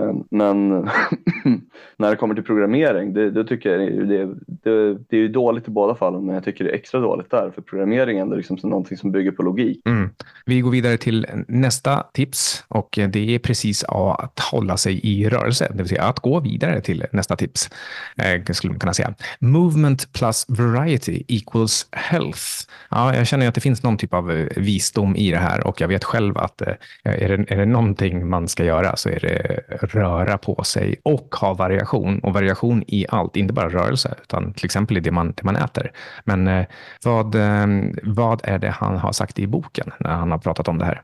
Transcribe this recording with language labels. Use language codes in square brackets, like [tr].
[sv] Men när det kommer till programmering, då tycker jag det är ju dåligt i båda fallen, men jag tycker det är extra dåligt där, för programmeringen är liksom någonting som bygger på logik. Mm. Vi går vidare till nästa tips, och det är precis att hålla sig i rörelse, det vill säga att gå vidare till nästa tips, skulle man kunna säga. [en] Movement plus variety equals health. [sv] Ja, jag känner att det finns någon typ av visdom i det här, och jag vet själv att är det någonting man ska göra så är det röra på sig och ha variation, och variation i allt, inte bara rörelse, utan till exempel i det man äter. Men vad är det han har sagt i boken när han har pratat om det här?